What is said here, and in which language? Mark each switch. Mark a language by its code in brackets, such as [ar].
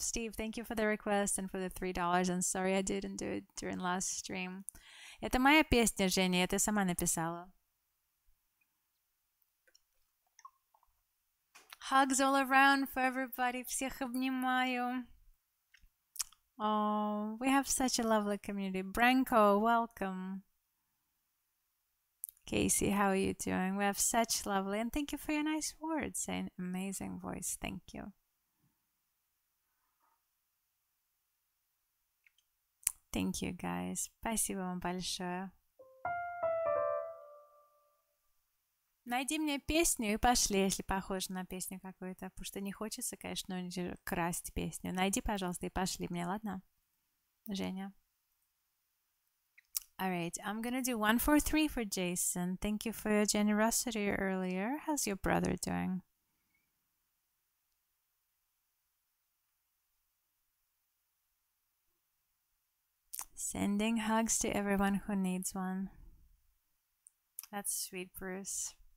[en] Steve, thank you for the request and for the $3. And sorry I didn't do it during last stream. [ru] Это моя песня, Женя, я это сама написала. [en] Hugs all around for everybody. [ru] Всех обнимаю. [en] Oh, we have such a lovely community. Branko, welcome. Casey, how are you doing? We have such lovely, and thank you for your nice words and amazing voice. Thank you. Thank you, guys. [ru] Спасибо вам большое. Найди мне песню и пошли, если похоже на песню какую-то, потому что не хочется, конечно, красть песню. Найди, пожалуйста, и пошли мне, ладно? Женя. [en] All right, I'm going to do 1-4-3 for Jason. Thank you for your generosity earlier. How's your brother doing? Sending hugs to everyone who needs one. That's sweet, Bruce.